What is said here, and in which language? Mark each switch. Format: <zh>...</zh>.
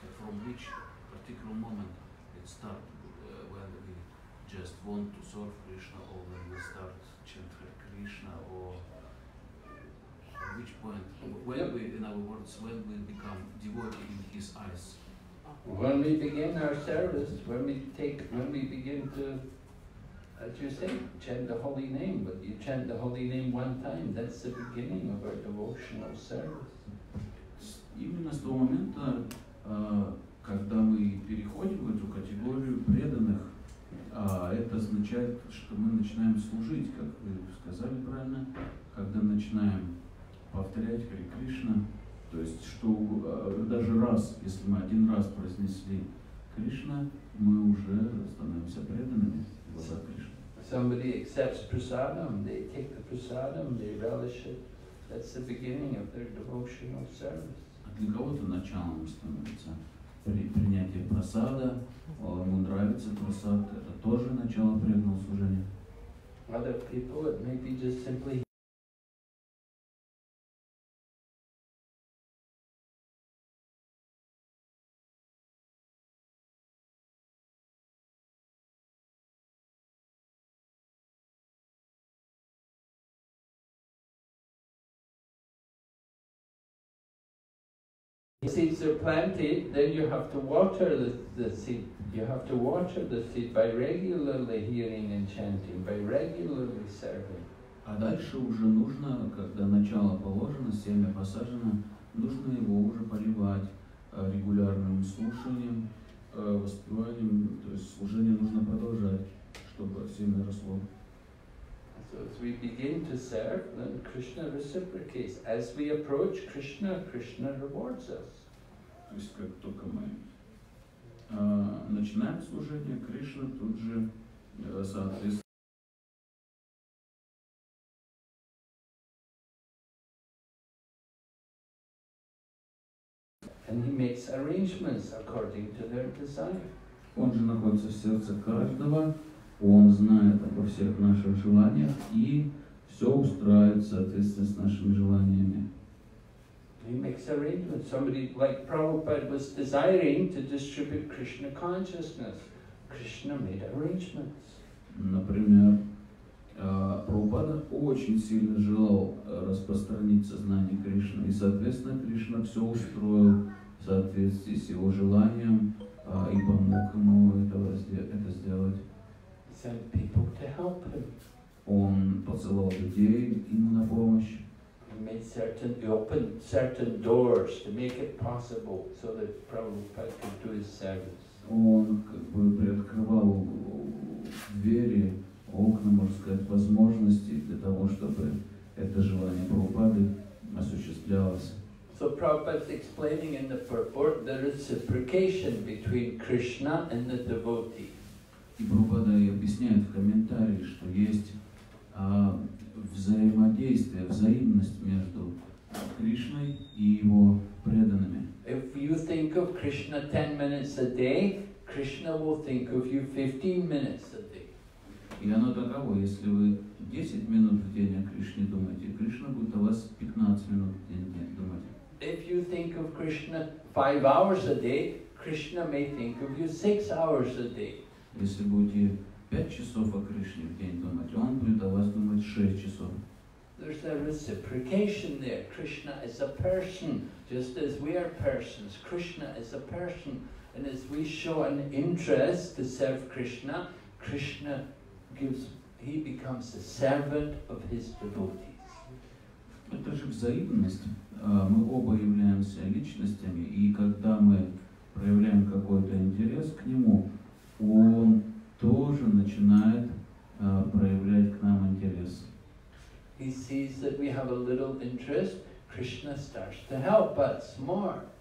<en>From which particular moment it started, when we just want to serve Krishna, or when we start chant Krishna, or at which point, when we, in other words, when we become devotee in his eyes? When we begin our service, when we begin to, as you say, chant the holy name, but you chant the holy name one time, that's the beginning of our devotional service.</en> <ru>Именно с того момента, когда мы переходим в эту категорию преданных, это означает, что мы начинаем служить, как вы сказали правильно, когда начинаем повторять Хари Кришна, то есть что даже раз, если мы один раз произнесли Кришна, мы уже становимся преданными в глазах Кришны.</ru> <en>Somebody accepts prasadam, they take the prasadam, they relish it. That's the beginning of their devotional service.</en> <ru>А для кого-то началом становится принятие прасада, ему нравится прасад, это тоже начало преданного служения.</ru> <en>Other people, it may be just simply seeds are planted, then you have to water the seed. You have to water the seed by regularly hearing and chanting, by regularly serving.</en> <ru>А дальше уже нужно, когда начало положено, семя посажено, нужно его уже поливать регулярным слушанием, воспеванием, то есть служение нужно продолжать, чтобы семя росло.</ru> <en>So as we begin to serve, then Krishna reciprocates. As we approach Krishna, Krishna rewards us.</en> <ru>То есть как только мы начинаем служение, Кришна тут же соответствует.</ru> <en>And he makes arrangements according to their desire.</en> <ru>Он же находится в сердце каждого. Он знает обо всех наших желаниях и все устраивает в соответствии с нашими желаниями.</ru> <en>He makes arrangements. Somebody like Prabhupada was desiring to distribute Krishna consciousness. Krishna made arrangements.</en> <ru>Например, Прабхупада очень сильно желал распространить сознание Кришны, и соответственно Кришна все устроил в соответствии с его желанием и помог ему это сделать.</ru> <en>Sent people to help him.</en> <ru>Он посылал людей ему на помощь.</ru> <en>He made certain, he opened certain doors to make it possible so that Prabhupada could do his service.</en> <ru>Он как бы приоткрывал двери, окна, можно сказать, возможности для того, чтобы это желание Прабхупады осуществлялось.</ru> <en>So Prabhupada is explaining in the purport the reciprocation between Krishna and the devotee.</en> <ru>И Прабхупада объясняет в комментарии, что есть взаимодействие, взаимность между Кришной и его преданными.</ru> <en>If you think of Krishna 10 minutes a day, Krishna will think of you 15 minutes a day.</en> <ru>И оно таково, если вы 10 минут в день о Кришне думаете, Кришна будет о вас 15 минут в день думать.</ru> <en>If you think of Krishna 5 hours a day, Krishna may think of you 6 hours a day.</en> <ru>Если будете 5 часов о Кришне в день думать, он будет о вас думать 6 часов.</ru> <en>There's a reciprocation there. Krishna is a person, just as we are persons. Krishna is a person. And as we show an interest to serve Krishna, Krishna gives, he becomes the servant of his devotees.</en> <ru>Это же взаимность. Мы оба являемся личностями, и когда мы проявляем какой-то интерес к нему, он тоже начинает проявлять к нам интерес.</ru> <en>He sees that we have a little interest, Krishna starts to help us more.</en>